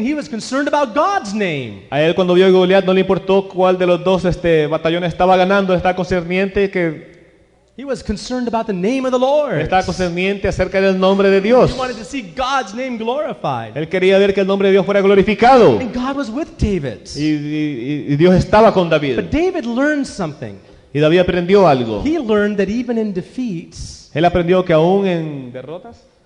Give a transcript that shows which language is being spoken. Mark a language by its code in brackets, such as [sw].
[en] He was concerned about God's name. [es] A él cuando vio a Goliath no le importó cuál de los dos batallones estaba ganando. Estaba concerniente que [en] he was concerned about the name of the Lord. [es] Estaba concerniente acerca del nombre de Dios. [en] He wanted to see God's name glorified. [es] Él quería ver que el nombre de Dios fuera glorificado. [en] And God was with David. [es] Y Dios estaba con David. [en] But David learned something. [es] Y David aprendió algo. [en] He learned that even in defeats, [es] él aprendió que aún en derrotas,